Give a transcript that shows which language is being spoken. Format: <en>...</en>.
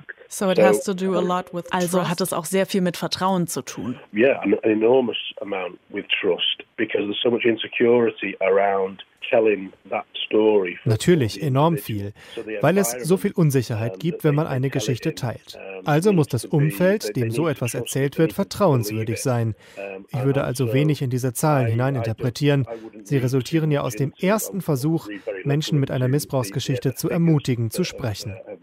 <de>Also hat es auch sehr viel mit Vertrauen zu tun.</de> <en>Ja, an enormous amount with trust, because there's so much insecurity around telling that story.</en> <de>Natürlich enorm viel, weil es so viel Unsicherheit gibt, wenn man eine Geschichte teilt. Also muss das Umfeld, dem so etwas erzählt wird, vertrauenswürdig sein. Ich würde also wenig in diese Zahlen hineininterpretieren. Sie resultieren ja aus dem ersten Versuch, Menschen mit einer Missbrauchsgeschichte zu ermutigen, zu sprechen.</de>